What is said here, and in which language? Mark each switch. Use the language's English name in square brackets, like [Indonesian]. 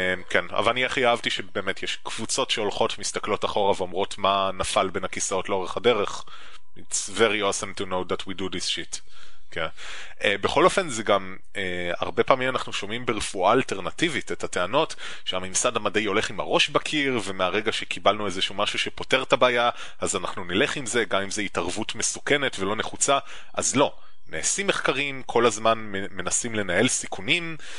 [Hebrew] כן, אבל אני הכי אהבתי שבאמת יש קבוצות שהולכות מסתכלות אחורה ואומרות מה נפל בין הכיסאות לאורך הדרך. [English] It's very awesome to know that we do this shit. [Hebrew] בכל אופן זה גם הרבה פעמים אנחנו שומעים ברפואה אלטרנטיבית את הטענות שהממסד המדעי הולך עם הראש בקיר ומהרגע שקיבלנו איזשהו משהו שפותר את הבעיה אז אנחנו נלך עם זה גם אם זה התערבות מסוכנת ולא נחוצה אז לא, נעשים מחקרים כל הזמן מנסים לנהל סיכונים